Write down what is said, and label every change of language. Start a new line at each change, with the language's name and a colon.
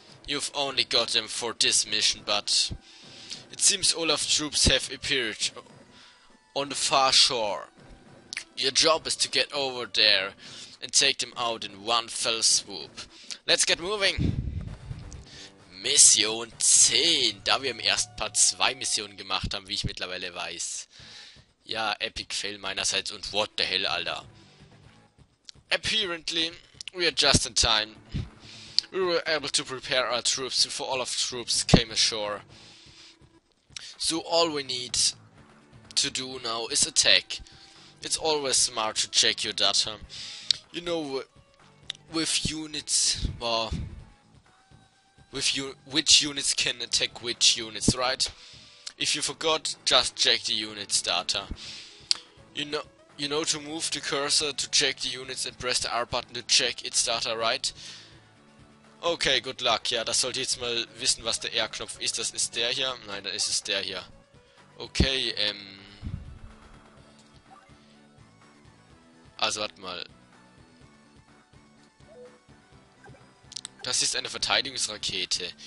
English: You've only got them for this mission, but it seems all of troops have appeared on the far shore. Your job is to get over there and take them out in one fell swoop. Let's get moving!
German: Mission 10, da wir im ersten Part zwei Missionen gemacht haben, wie ich mittlerweile weiß. Ja,
English: epic fail
German: meinerseits und
English: what the hell, Alter. Apparently, we are just in time. We were able to prepare our troops before all of troops came ashore. So all we need to do now is attack. It's always smart to check your data. You know, with units, well, with you, which units can attack which units, right? If you forgot, just check the units data. You know to move the cursor to check the units and press the R button to check its data, right? Okay, good luck.
German: Ja, das sollte jetzt mal wissen, was der R-Knopf ist. Das ist der hier. Nein, das ist es der hier. Okay, also warte mal. Das ist eine Verteidigungsrakete.